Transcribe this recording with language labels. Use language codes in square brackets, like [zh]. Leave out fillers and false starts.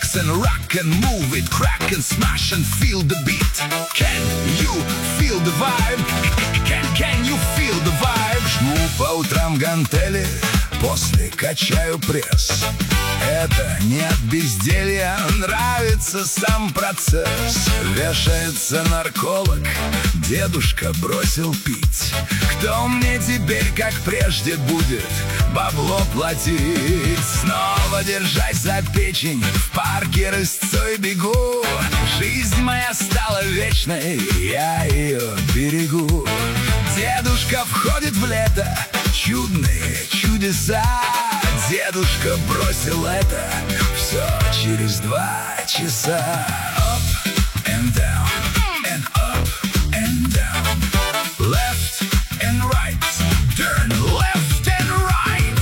[en] Rock and move it, crack and smash and feel the beat. Can you feel the vibe? Can you feel the vibe? [ru] Жму по утрам гантели, после качаю пресс. Это не от безделья, нравится сам процесс. Вешается нарколог, дедушка бросил пить. Кто мне теперь, как прежде, будет бабло платить? Снова держась за печень, в парке рысцой бегу. Жизнь моя стала вечной, я ее берегу. Дедушка входит в лето, чудные чудеса. Дедушка бросил это все через два часа. [en] Up and down, and up and down. Left and right, turn left and right.